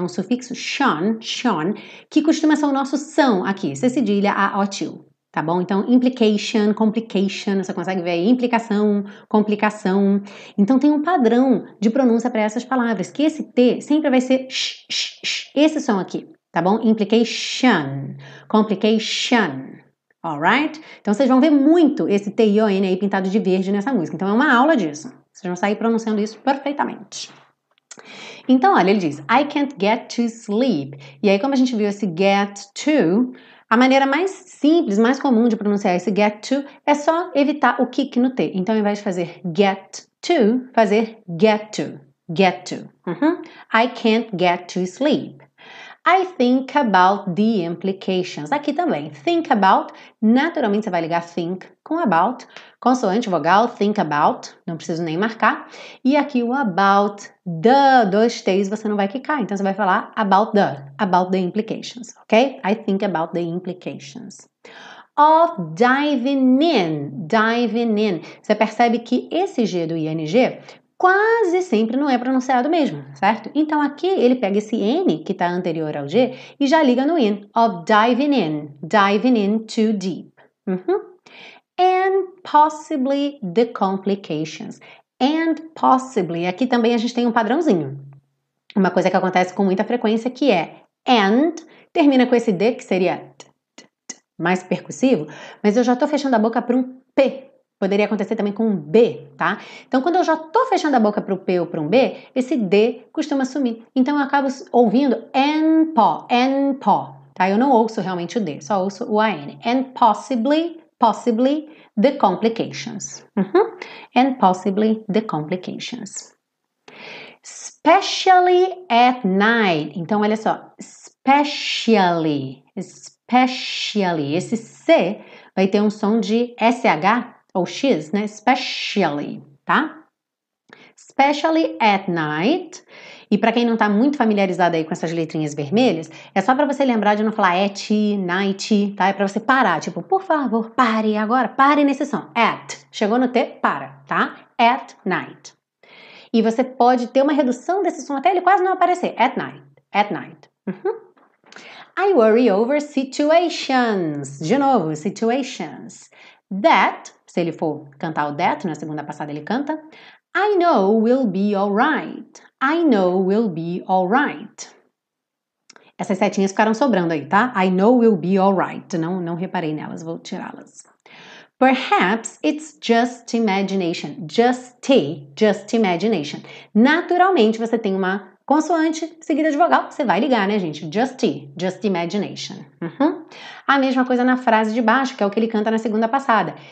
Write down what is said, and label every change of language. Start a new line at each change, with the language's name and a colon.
Portuguese: Um sufixo shon, que costuma ser o nosso são aqui, C cedilha, A, O, til, tá bom? Então, implication, complication, você consegue ver aí, implicação, complicação. Então, tem um padrão de pronúncia para essas palavras, que esse T sempre vai ser sh, esse som aqui, tá bom?
English: Implication, complication. Alright?
Portuguese: Então vocês vão ver muito esse T-I-O-N aí pintado de verde nessa música. Então é uma aula disso. Vocês vão sair pronunciando isso perfeitamente. Então, olha, ele diz:
English: I can't get to sleep.
Portuguese: E aí, como a gente viu esse get to, a maneira mais simples, mais comum de pronunciar esse get to é só evitar o kick no T. Então, ao invés de fazer get to, fazer get to.
English: get to. Mm-hmm. I can't get to sleep. I think about the implications.
Portuguese: Aqui também, think about, naturalmente você vai ligar think com about, consoante vogal, think about, não preciso nem marcar. E aqui o about the, dois T's você não vai quicar, então você vai falar
English: about the implications,
Portuguese: ok?
English: I think about the implications. Of diving in, diving in.
Portuguese: Você percebe que esse G do ING quase sempre não é pronunciado mesmo, certo? Então, aqui ele pega esse N que está anterior ao G e já liga no in.
English: Of diving in too deep. Uhum. And possibly the complications. And possibly,
Portuguese: aqui também a gente tem um padrãozinho. Uma coisa que acontece com muita frequência que é and, termina com esse D que seria t, t, t, mais percussivo, mas eu já estou fechando a boca para um P. Poderia acontecer também com um B, tá? Então, quando eu já tô fechando a boca para o P ou para um B, esse D costuma sumir. Então, eu acabo ouvindo N-po, N-po, tá? Eu não ouço realmente o D, só ouço o A-N.
English: And possibly, possibly the complications. Uhum. And possibly the complications. Especially at night.
Portuguese: Então, olha só.
English: Especially, especially.
Portuguese: Esse C vai ter um som de SH. Ou X, né?
English: Especially, tá? Especially at night.
Portuguese: E pra quem não tá muito familiarizado aí com essas letrinhas vermelhas, é só pra você lembrar de não falar at, night, tá? É pra você parar. Tipo, por favor, pare agora. Pare nesse som. At. Chegou no T, para, tá? At night. E você pode ter uma redução desse som até ele quase não aparecer.
English: At night. At night. Uhum. I worry over situations.
Portuguese: De novo, situations. That, se ele for cantar o that, na segunda passada ele canta.
English: I know we'll be alright. I know we'll be alright.
Portuguese: Essas setinhas ficaram sobrando aí, tá?
English: I know we'll be alright.
Portuguese: Não reparei nelas, vou tirá-las.
English: Perhaps it's just imagination. Just imagination.
Portuguese: Naturalmente, você tem uma consoante seguida de vogal, você vai ligar, né, gente?
English: Just imagination.
Portuguese: Uhum. A mesma coisa na frase de baixo, que é o que ele canta na segunda passada.